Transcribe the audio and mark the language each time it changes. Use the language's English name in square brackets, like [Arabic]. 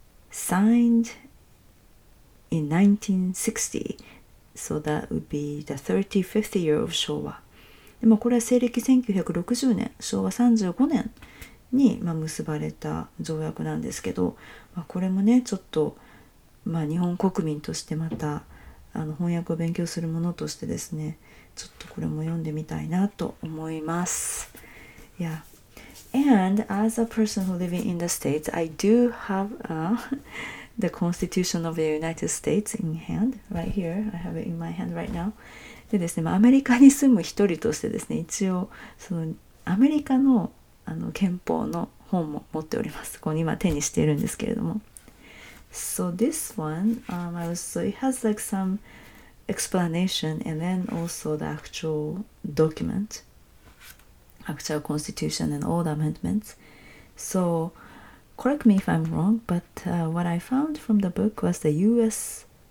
[English] signed in 1960, so that would be the 35th year of Showa. [Japanese] で、まあ、これは西暦1960年昭和35年に、まあ、結ばれた条約なんですけど、まあ、これもねちょっと、まあ、日本国民としてまた翻訳を勉強するものとしてですね、ちょっとこれも読んでみたいなと思います。 [English] いや、And as a person who living in the States, I do have the Constitution of the United States in hand, right here. I have it in my hand right now. [Japanese] でですね、まあ、アメリカに住む一人としてですね、一応そのアメリカの、憲法の本も持っております。ここに今手にしているんですけれども。 [English] So this one, it has like some explanation and then also the actual document. Actual constitution and all the amendments. So, correct me if I'm wrong, but what I found from the book was the U.S.